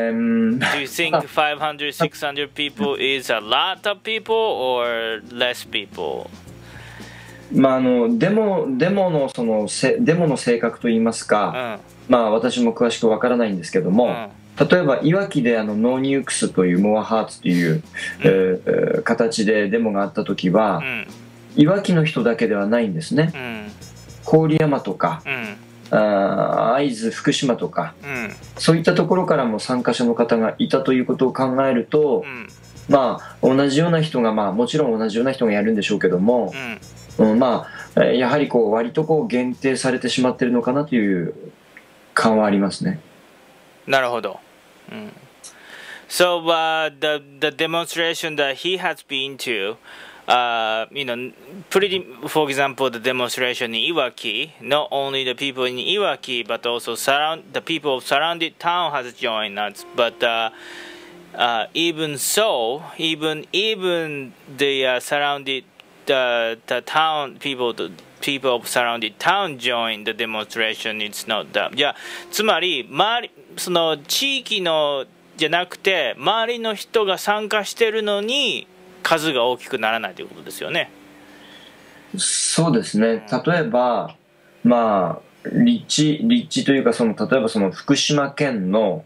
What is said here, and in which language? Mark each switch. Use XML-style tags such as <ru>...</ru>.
<en>Do you think 500, 600 people is a lot of people or less people?</en> <ja>まああのデモのそのデモの性格といいますか、うん、まあ私も詳しくわからないんですけども、うん、例えばいわきであのノーニュークスというモアハーツという、うん、形でデモがあったときは、うん、いわきの人だけではないんですね。うん、郡山とか。うん、会津福島とか、うん、そういったところからも参加者の方がいたということを考えると、うん、まあ同じような人が、まあもちろん同じような人がやるんでしょうけども、うんうん、まあやはりこう割とこう限定されてしまってるのかなという感はありますね。</ja> <en>なるほど、うん、So the demonstration that he has been toyou know, pretty, for example, the demonstration in Iwaki, not only the people in Iwaki, but also the people of surrounding town has joined us. But people of surrounding town joined the demonstration, it's not that.</en> <ja>Yeah, つまり、周り、その地域のじゃなくて、周りの人が参加してるのに、数が大きくならないということですよね。そうですね。例えば、まあ立地というか、その例えばその福島県の、</ja>